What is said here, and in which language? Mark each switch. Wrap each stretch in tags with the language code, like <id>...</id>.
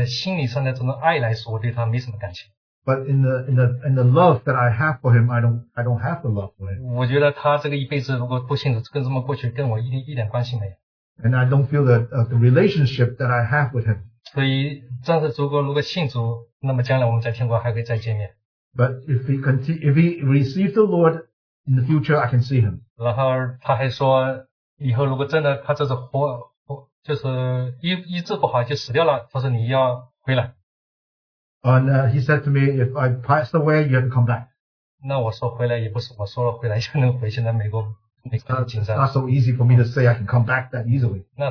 <zh>但是呢,从这个心理上的这种爱来说,我对他没什么感情。</zh> <en>But in the love that I have for him, I don't have the love for him.</en> <zh>我觉得他这个一辈子如果不幸的跟这么过去跟我一点关系没有。</zh> <en>And I don't feel that the relationship that I have with him.</en> <zh>所以这样子如果信主，那么将来我们在天国还可以再见面。</zh> <en>But if he receives the Lord in the future, I can see him.</en> <zh>然后他还说，以后如果真的他这是活，就是医治不好就死掉了，他说你要回来。</zh> <en>And he said to me, if I pass away, you have to come back.</en> <zh>那我说回来也不是,我说了回来就能回现在美国,没那么紧张。</zh> <en>It's not so easy for me to say I can come back that easily.</en>